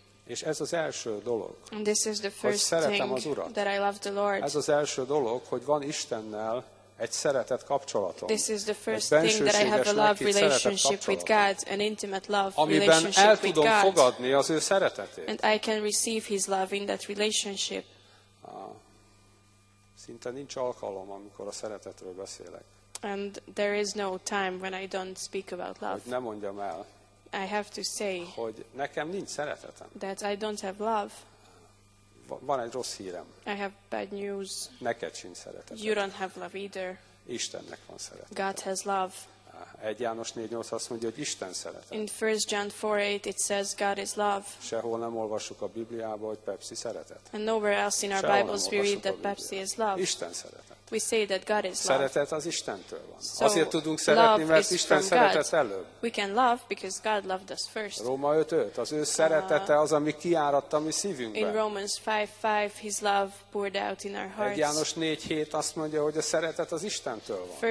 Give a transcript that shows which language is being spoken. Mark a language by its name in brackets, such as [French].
[Hungarian] És ez az első dolog. [English] And this is the first thing that I love the Lord. [Hungarian] Ez az első dolog, hogy van Istennel egy szeretet kapcsolatom. [English] This is the first thing that I have a love relationship with God, an intimate love relationship with God. [Hungarian] Amiben el tudom fogadni az ő szeretetét. [English] And I can receive his love in that relationship. [Hungarian] Szinte nincs alkalom, amikor a szeretetről beszélek. [English] And there is no time when I don't speak about love. [Hungarian] Hogy ne mondjam el. [English] I have to say. [Hungarian] Hogy nekem nincs szeretetem. [English] That I don't have love. [Hungarian] Van egy rossz hírem. [English] I have bad news. [Hungarian] Neked sincs szeretetem. [English] You don't have love either. [Hungarian] Istennek van szeretet. [English] God has love. [Hungarian] 1 János 4:8 azt mondja, hogy Isten szeretet. [English] In 1 John 4:8 it says God is love. [Hungarian] Sehol nem olvassuk a Bibliában, hogy Pepsi szeretet. [English] And nowhere else in our Bibles we read that Pepsi is love. [Hungarian] Isten szeretet. [English] We say that God is love. [Hungarian] Szeretet az Istentől van. So, azért tudunk szeretni, mert Isten szeretett előbb. [English] We can love because God loved us first. [Hungarian] Róma 5:5, az ő szeretete az, ami kiáradt a mi szívünkbe. [English] In Romans 5:5, his love poured out in our hearts. [Hungarian] 1 János 4:7 azt mondja, hogy a szeretet az Istentől van.